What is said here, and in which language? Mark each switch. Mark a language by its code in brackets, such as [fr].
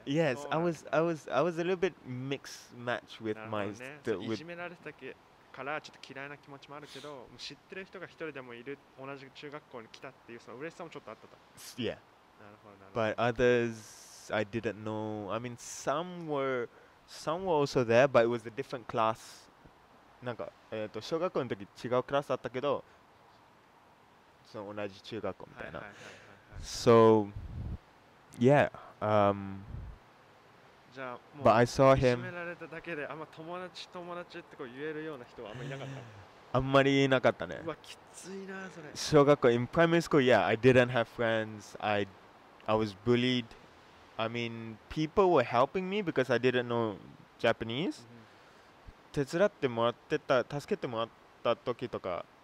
[en] Yes, I was a little bit mixed match with my. [ja] なるほどね。いじめられたからちょっと嫌いな気持ちもあるけど、知ってる人が一人でもいる同じ中学校に来たっていうその嬉しさもちょっとあったと。 [en] Yeah. [ja] なるほどなるほど。 [en] But others, I didn't know. I mean, some were also there, but it was a different class. [ja] なんか、小学校の時違うクラスだったけど、その同じ中学校みたいな。 [en] So, yeah. [ja] じゃあもう [en] But I saw him. [ja] いじめられただけで、あんま友達ってこう言えるような人はあんまりいなかった。あんまりいなかったね。うわ、きついな、それ。 [en] 小学校、in primary school, yeah, I didn't have friends. I was bullied. I mean, people were helping me because I didn't know Japanese. [ja] 手伝ってもらってた、助けてもらった時とか